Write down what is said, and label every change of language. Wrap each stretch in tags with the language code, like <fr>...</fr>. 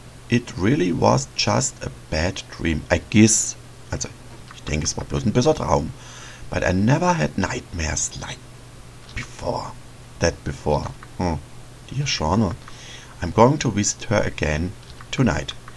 <en>It really was just a bad dream, I guess.</en> <de>Also, ich denke, es war bloß ein besser Traum.</de> <en>But I never had nightmares like before. Dear Shauna, I'm going to visit her again tonight.</en>